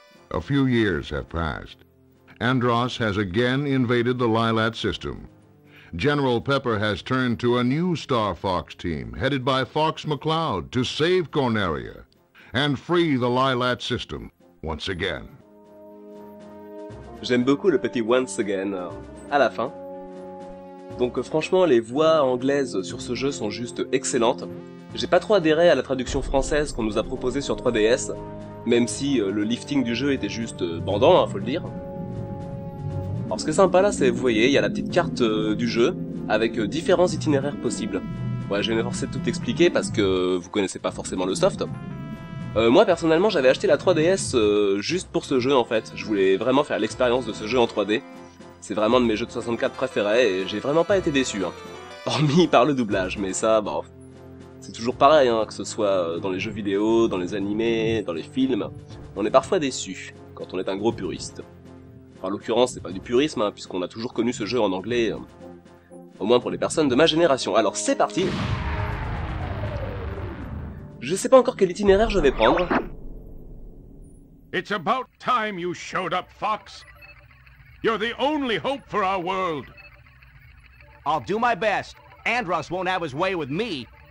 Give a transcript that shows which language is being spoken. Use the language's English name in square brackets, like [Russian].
[English] A few years have passed. Andross has again invaded the Lylat system. General Pepper has turned to a new Star Fox team, headed by Fox McCloud, to save Corneria and free the Lylat system once again. [French] J'aime beaucoup le petit [English] once again [French] à la fin. Donc franchement, les voix anglaises sur ce jeu sont juste excellentes. J'ai pas trop adhéré à la traduction française qu'on nous a proposée sur 3DS, même si le lifting du jeu était juste bandant, hein, faut le dire. Alors ce qui est sympa là, c'est, vous voyez, il y a la petite carte du jeu, avec différents itinéraires possibles. Ouais, je vais me forcer de tout expliquer parce que vous connaissez pas forcément le soft. Moi personnellement, j'avais acheté la 3DS juste pour ce jeu en fait. Je voulais vraiment faire l'expérience de ce jeu en 3D. C'est vraiment de mes jeux de 64 préférés et j'ai vraiment pas été déçu. Hein. Hormis par le doublage, mais ça, bon... C'est toujours pareil, hein, que ce soit dans les jeux vidéo, dans les animés, dans les films. On est parfois déçu quand on est un gros puriste. En l'occurrence, c'est pas du purisme, hein, puisqu'on a toujours connu ce jeu en anglais, au moins pour les personnes de ma génération. Alors, c'est parti! Je sais pas encore quel itinéraire je vais prendre. [English] It's about time you showed up, Fox. You're the only hope for our world. I'll do my best. Andross won't have his way with me.